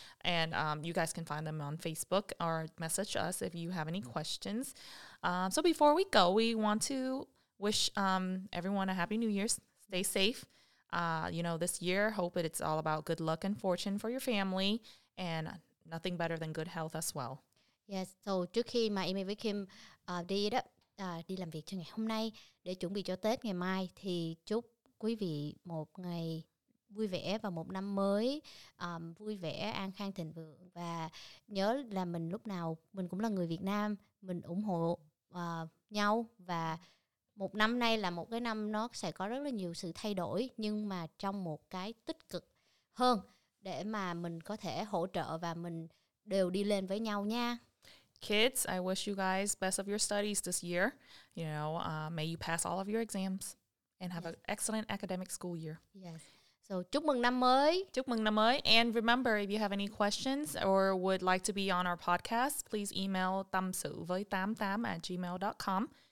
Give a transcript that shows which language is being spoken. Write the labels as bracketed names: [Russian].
[English] And you guys can find them on Facebook or message us if you have any questions. So before we go, we want to wish everyone a Happy New Year's. Stay safe. You know, this year, hope it's all about good luck and fortune for your family, and nothing better than good health as well. [Vietnamese] Yes, so trước khi mà em với Kim đi đó, đi làm việc cho ngày hôm nay để chuẩn bị cho Tết ngày mai, thì chúc quý vị một ngày vui vẻ và một năm mới vui vẻ, an khang thịnh vượng. Và nhớ là mình lúc nào, mình cũng là người Việt Nam, mình ủng hộ nhau và... Một năm nay là một cái năm nó sẽ có rất là nhiều sự thay đổi, nhưng mà trong một cái tích cực hơn để mà mình có thể hỗ trợ và mình đều đi lên với nhau nha. [English] Kids, I wish you guys best of your studies this year. You know, may you pass all of your exams and have an excellent academic school year. [Vietnamese] Yes. So, chúc mừng năm mới. Chúc mừng năm mới. [English] And remember, if you have any questions or would like to be on our podcast, please email tamsuvoi88@gmail.com.